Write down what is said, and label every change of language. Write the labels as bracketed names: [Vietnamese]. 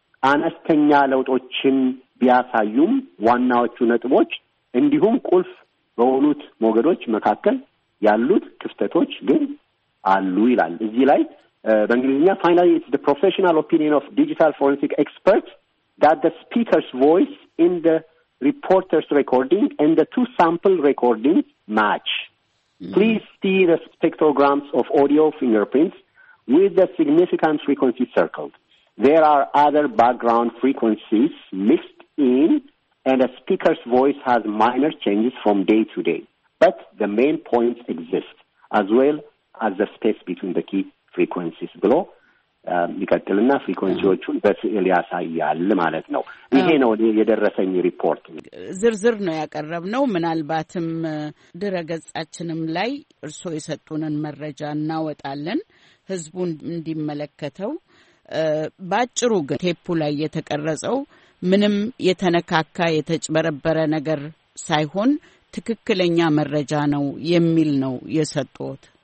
[Amharic] አነስተኛ ለውጦችን ቢያሳዩም ዋናዎቹ ነጥቦች እንዲሁም ቁልፍ በሆኑት ሞገዶች መካከል ያሉት ክፍተቶች ግን አሉ ይላል እዚህ ላይ በእንግሊዝኛ። [English] finally it's the professional opinion of digital forensic experts that the speaker's voice in the reporter's recording and the two sample recordings match. Please see the spectrograms of audio fingerprints with the significant frequency circled. There are other background frequencies mixed in and the speaker's voice has minor changes from day to day, but the main points exist as well as the space between the key frequencies below [Amharic] ይቀጥልና ፍሪኩዌንሲዎቹን በስዕል ያሳያል ማለት ነው። ይሄ ነው የደረሰኝ ሪፖርት። ዝርዝር ነው ያቀረብነው። ምናልባትም ድረገጻችንም ላይ እርሶ የሰጡንን መረጃ እናወጣለን ህዝቡን እንዲመለከተው። ባጭሩ ግን ቴፑ ላይ የተቀረጸው ምንም የተነካካ የተጭበረበረ ነገር ሳይሆን ትክክለኛ መረጃ ነው የሚል ነው የሰጡት።